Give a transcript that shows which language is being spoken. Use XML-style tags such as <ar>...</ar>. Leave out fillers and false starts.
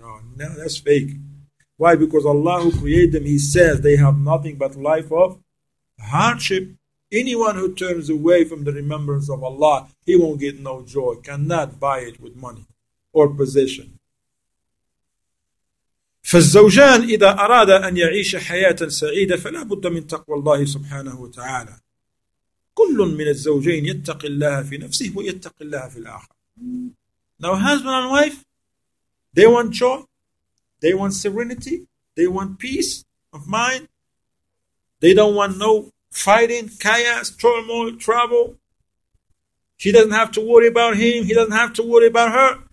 <en>Oh, no, that's fake. Why? Because Allah who created them, He says they have nothing but life of hardship. Anyone who turns away from the remembrance of Allah, he won't get no joy. Cannot buy it with money or possession.</en> <ar>فالزوجان إذا أرادا أن يعيش حياة سعيدة فلا بد من تقوى الله سبحانه وتعالى. كل من الزوجين يتق الله في نفسه ويتق الله في الآخر.</ar> <en>Now husband and wife, they want joy, they want serenity, they want peace of mind. They don't want no fighting, chaos, turmoil, trouble. She doesn't have to worry about him. He doesn't have to worry about her.</en>